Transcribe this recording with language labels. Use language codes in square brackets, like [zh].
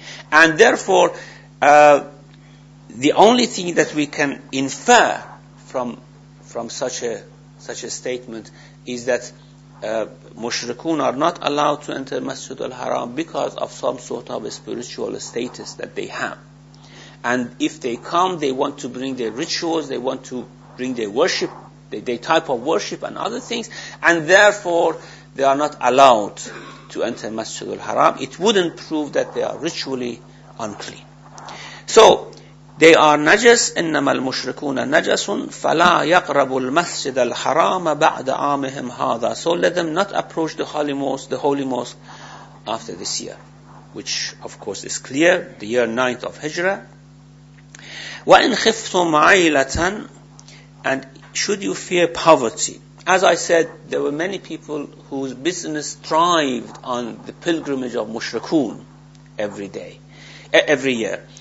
[en] And therefore, the only thing that we can infer from such a statement is that mushrikun are not allowed to enter Masjid al-Haram because of some sort of a spiritual status that they have. And if they come, they want to bring their rituals, they want to bring their worship, their type of worship and other things, and therefore they are not allowed to enter Masjid al-Haram. It wouldn't prove that they are ritually unclean. So, they are najas, [ar] إنما المشركون najas, فلا يقربوا المسجد الحرام بعد عامهم هذا. [en] So let them not approach the Holy Mosque after this year, which of course is clear, the year 9th of Hijrah. [ar] وإن خفتم عيلة, [en] and should you fear poverty. As I said, there were many people whose business thrived on the pilgrimage of mushrikun every year.